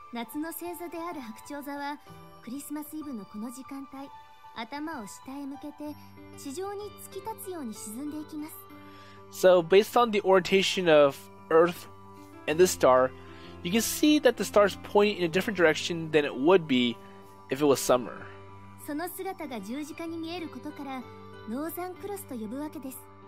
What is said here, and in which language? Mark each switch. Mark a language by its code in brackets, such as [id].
[ja] 夏の星座である白鳥座はクリスマスイブのこの時間帯、頭を下へ向けて地上に突き立つように沈んでいきます。 [en] So based on the orientation of Earth and the star, you can see that the star is pointing in a different direction than it would be if it was summer. [ja] その姿が十字架に見えることからノーザンクロスと呼ぶわけです。